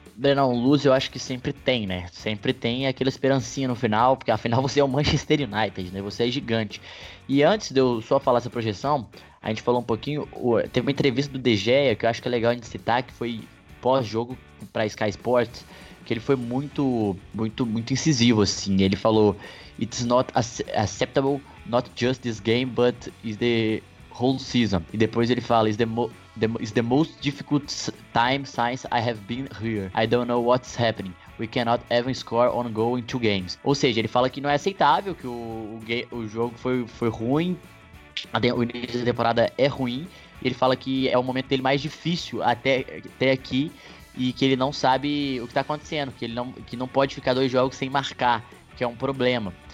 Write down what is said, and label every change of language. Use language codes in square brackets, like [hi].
[pt] Brenão, luz eu acho que sempre tem, né? Sempre tem aquela esperancinha no final, porque afinal você é o Manchester United, né? Você é gigante. E antes de eu só falar essa projeção, a gente falou um pouquinho, teve uma entrevista do De Gea, que eu acho que é legal a gente citar, que foi pós-jogo para Sky Sports, que ele foi muito, muito, muito incisivo, assim. Ele falou: [en] "It's not acceptable, not just this game, but is the whole season." [pt] E depois ele fala: [en] is the most difficult time since I have been here. I don't know what's happening. We cannot even score on goal in 2 games." [pt] Ou seja, ele fala que não é aceitável, que o jogo foi ruim, o início da temporada é ruim. E ele fala que é o momento dele mais difícil até aqui, e que ele não sabe o que está acontecendo, que não pode ficar 2 jogos sem marcar, que é um problema.